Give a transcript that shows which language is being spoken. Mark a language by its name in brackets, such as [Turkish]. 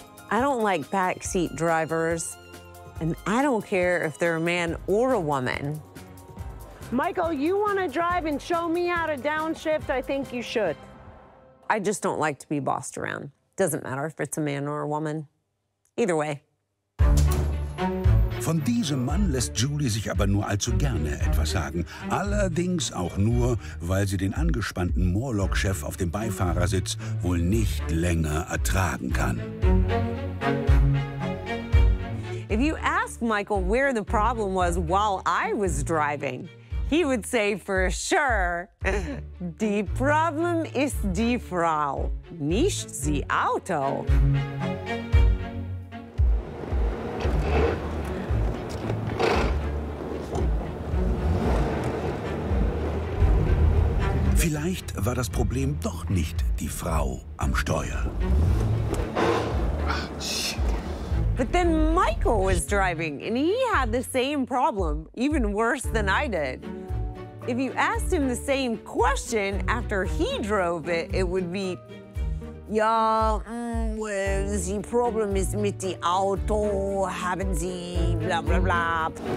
[English] I don't like backseat drivers, and I don't care if they're a man or a woman. Michael, you want to drive and show me how to downshift? I think you should. I just don't like to be bossed around. Doesn't matter if it's a man or a woman. Either way. [German] Von diesem Mann lässt Julie sich aber nur allzu gerne etwas sagen. Allerdings auch nur, weil sie den angespannten Morlock-Chef auf dem Beifahrersitz wohl nicht länger ertragen kann. [English] If you ask Michael where the problem was while I was driving, he would say for sure, the problem is [German] die Frau, nicht die Auto. Vielleicht war das Problem doch nicht die Frau am Steuer. [English] But then Michael was driving and he had the same problem, even worse than I did. If you asked him the same question after he drove it, it would be, well, the problem is [German] mit die Auto, haben Sie, [English] blah, blah, blah.